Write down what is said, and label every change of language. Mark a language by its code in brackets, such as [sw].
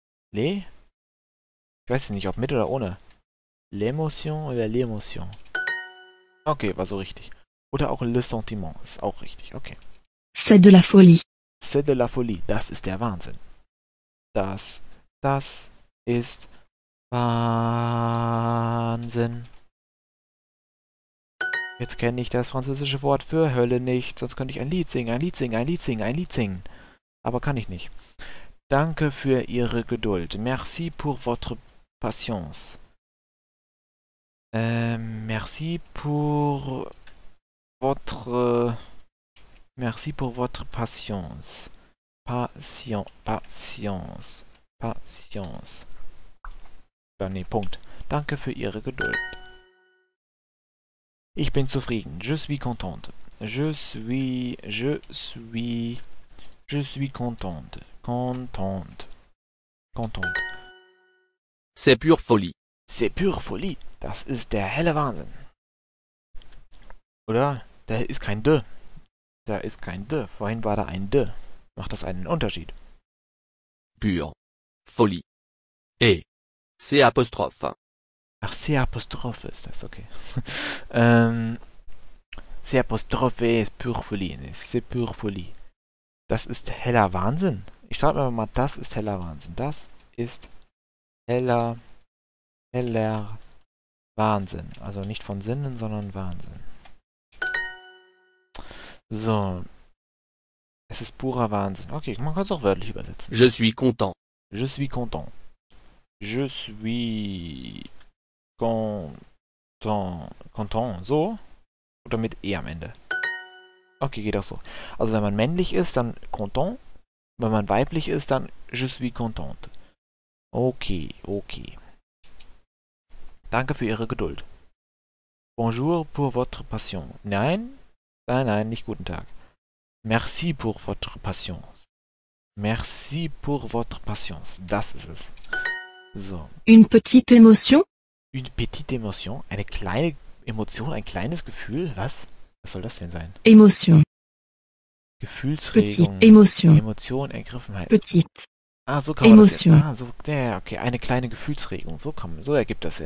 [de] Ich weiß nicht, ob mit oder ohne. [fr] L'émotion oder l'émotion? [de] Okay, war so richtig. Oder auch le sentiment, ist auch richtig, okay. [fr] C'est de la folie. C'est de la folie, [de] das ist der Wahnsinn. Das ist Wahnsinn. Jetzt kenne ich das französische Wort für Hölle nicht, sonst könnte ich ein Lied singen, ein Lied singen, ein Lied singen, ein Lied singen. Aber kann ich nicht. Danke für Ihre Geduld. [fr] Merci pour votre patience. Merci pour votre patience. Patience. Patience. Patience. [de] Dann, nee, Punkt. Danke für Ihre Geduld. Ich bin zufrieden. [fr] Je suis contente. Je suis contente. Contente. C'est pure folie. C'est pure folie. [de] Das ist der helle Wahnsinn. Oder? Da ist kein de. Da ist kein de. Vorhin war da ein de. Macht das einen Unterschied? [fr] Pure folie. Et c'est apostrophe. [de] Ach, c'est apostrophe ist das, okay. [fr] c'est apostrophe ist pure folie. C'est pure folie. [de] Das ist heller Wahnsinn. Ich schreibe mir mal, das ist heller Wahnsinn. Das ist heller Wahnsinn. Also nicht von Sinnen, sondern Wahnsinn. So. Es ist purer Wahnsinn. Okay, man kann es auch wörtlich übersetzen. [fr] Je suis content. Je suis content. Je suis content. Content. [de] So. Oder mit E am Ende. Okay, geht auch so. Also wenn man männlich ist, dann content. Wenn man weiblich ist, dann [fr] je suis content. [de] Okay, okay. Danke für Ihre Geduld. [fr] Bonjour pour votre passion. [de] Nein. Nein, nein, nicht guten Tag. Merci pour votre patience. Merci pour votre patience. Das ist es. So. [fr] Une petite émotion? Une petite émotion? [de] Eine kleine Emotion, ein kleines Gefühl? Was? Was soll das denn sein? Emotion. Gefühlsregung. [fr] Petite émotion. [de] Emotion, Ergriffenheit. [fr] Petite. [de] Ah, so kann [fr] émotion. [de] Man das ja. Ah, so, ja, okay. Eine kleine Gefühlsregung. So kann man, so ergibt das ja.